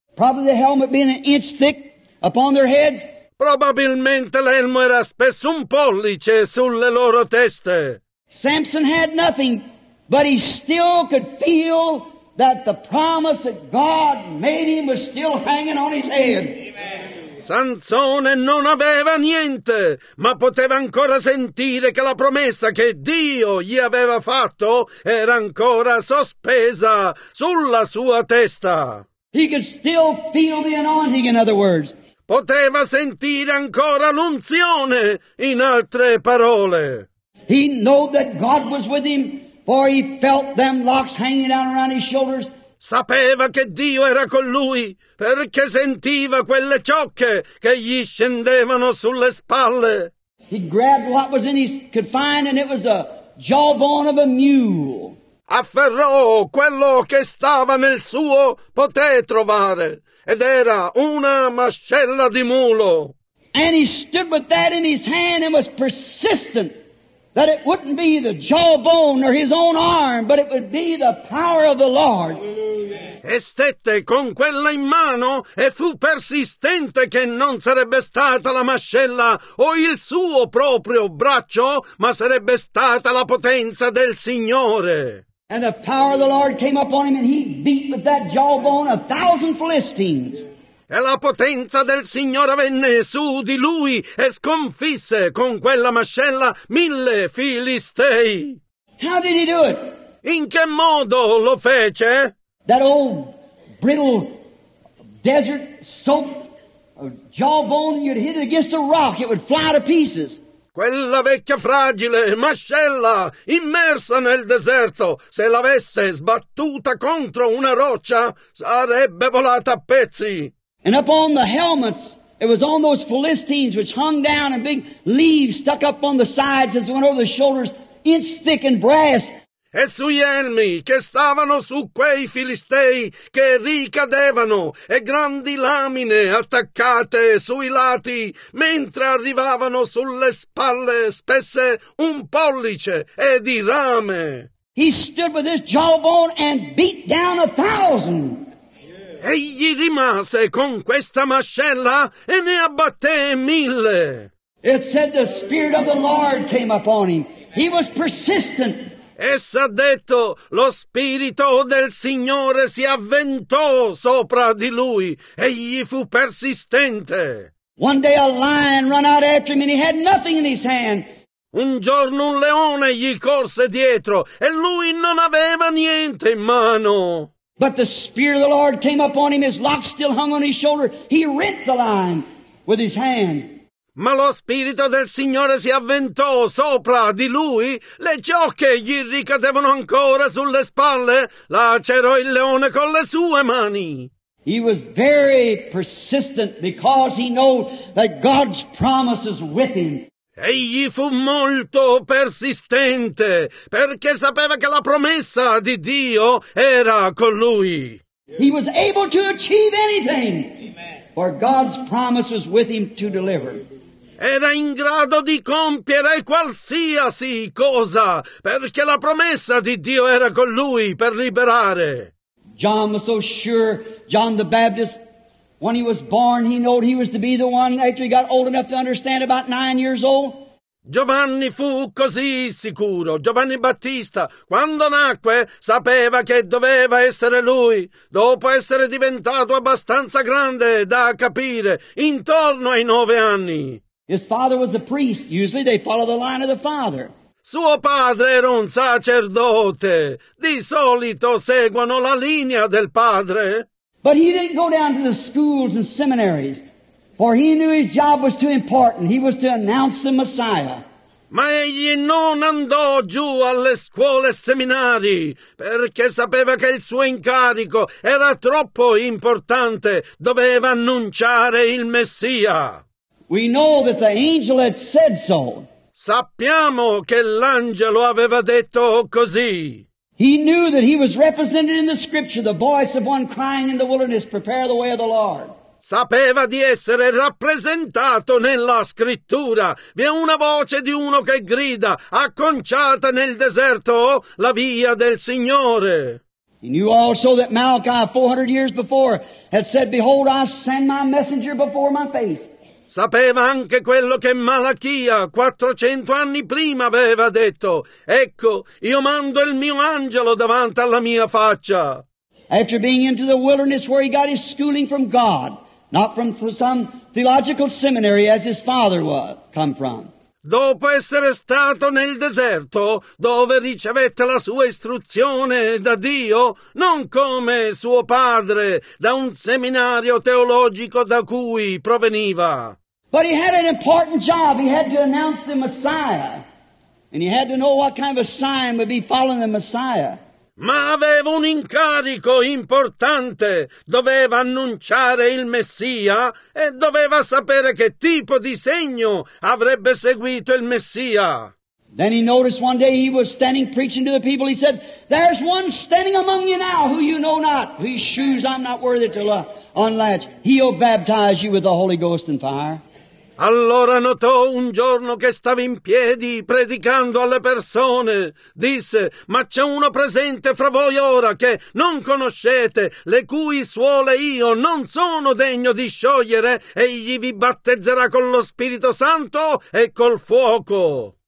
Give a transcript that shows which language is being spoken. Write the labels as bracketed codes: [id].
[en] Probably the helmet being an inch thick upon their heads. [it] Probabilmente l'elmo era spesso un pollice sulle loro teste. [en] Samson had nothing, but he still could feel that the promise that God made him was still hanging on his head. [it] Sansone non aveva niente, ma poteva ancora sentire che la promessa che Dio gli aveva fatto era ancora sospesa sulla sua testa. [en] He could still feel the anointing, in other words. [it] Poteva sentire ancora l'unzione, in altre parole. [en] He knew that God was with him, for he felt them locks hanging down around his shoulders. [it] Sapeva che Dio era con lui, perché sentiva quelle ciocche che gli scendevano sulle spalle. [en] He grabbed what was in his confine, and it was a jawbone of a mule. [it] Afferrò quello che stava nel suo poté trovare, ed era una mascella di mulo. [en] And he stood with that in his hand and was persistent that it wouldn't be the jawbone or his own arm, but it would be the power of the Lord. [it] E stette con quella in mano e fu persistente che non sarebbe stata la mascella o il suo proprio braccio, ma sarebbe stata la potenza del Signore. [en] And the power of the Lord came upon him, and he beat with that jawbone 1,000 Philistines. [it] E la potenza del Signore venne su di lui e sconfisse con quella mascella 1,000 Filistei. [en] How did he do it? [it] In che modo lo fece? [en] That old brittle desert soaked jawbone, you'd hit it against a rock, it would fly to pieces. [it] Quella vecchia fragile mascella immersa nel deserto, se l'aveste sbattuta contro una roccia, sarebbe volata a pezzi. [en] And upon the helmets, it was on those Philistines which hung down, and big leaves stuck up on the sides as they went over the shoulders, inch thick in brass. [it] E sugli elmi che stavano su quei filistei che ricadevano e grandi lamine attaccate sui lati mentre arrivavano sulle spalle spesse un pollice e di rame. [en] He stood with his jawbone and beat down 1,000. [it] Egli rimase con questa mascella e ne abbatté 1,000. [en] It said the Spirit of the Lord came upon him. He was persistent. [it] Essa ha detto, lo Spirito del Signore si avventò sopra di lui, e gli fu persistente. [en] One day a lion ran out after him and he had nothing in his hand. [it] Un giorno un leone gli corse dietro, e lui non aveva niente in mano. [en] But the Spirit of the Lord came upon him, his locks still hung on his shoulder, he rent the lion with his hands. [it] Ma lo Spirito del Signore si avventò sopra di lui, le ciocche gli ricadevano ancora sulle spalle, lacerò il leone con le sue mani. [en] He was very persistent because he knew that God's promise is with him. [it] Egli fu molto persistente perché sapeva che la promessa di Dio era con lui. [en] He was able to achieve anything, for God's promise was with him to deliver. [it] Era in grado di compiere qualsiasi cosa, perché la promessa di Dio era con lui per liberare. [en] John was so sure, John the Baptist, when he was born, he knew he was to be the one, after he got old enough to understand, about 9 years old. [it] Giovanni fu così sicuro, Giovanni Battista, quando nacque, sapeva che doveva essere lui, dopo essere diventato abbastanza grande da capire, intorno ai 9 anni. [en] His father was a priest. Usually they follow the line of the father. [it] Suo padre era un sacerdote. Di solito seguono la linea del padre. [en] But he didn't go down to the schools and seminaries, for he knew his job was too important. He was to announce the Messiah. [it] Ma egli non andò giù alle scuole e seminari, perché sapeva che il suo incarico era troppo importante. Doveva annunciare il Messia. [en] We know that the angel had said so. [it] Sappiamo che l'angelo aveva detto così. [en] He knew that he was represented in the scripture, the voice of one crying in the wilderness, prepare the way of the Lord. [it] sapeva di essere rappresentato nella scrittura. Vi è una voce di uno che grida: acconciate nel deserto la via del Signore. [en] He knew also that Malachi 400 years before had said, behold, I send my messenger before my face. [it] Sapeva anche quello che Malachia 400 anni prima aveva detto: ecco, io mando il mio angelo davanti alla mia faccia. [en] After being into the wilderness where he got his schooling from God, not from some theological seminary as his father was come from. [it] Dopo essere stato nel deserto, dove ricevette la sua istruzione da Dio, non come suo padre, da un seminario teologico da cui proveniva. [en] But he had an important job. He had to announce the Messiah. And he had to know what kind of a sign would be following the Messiah. [it] Ma aveva un incarico importante, doveva annunciare il Messia e doveva sapere che tipo di segno avrebbe seguito il Messia. [en] Then he noticed one day he was standing preaching to the people. He said, there's one standing among you now who you know not, whose shoes I'm not worthy to unlatch. He'll baptize you with the Holy Ghost and fire. [it] Allora notò un giorno che stava in piedi predicando alle persone, disse: ma c'è uno presente fra voi ora che non conoscete, le cui suole io non sono degno di sciogliere, egli vi battezzerà con lo Spirito Santo e col fuoco.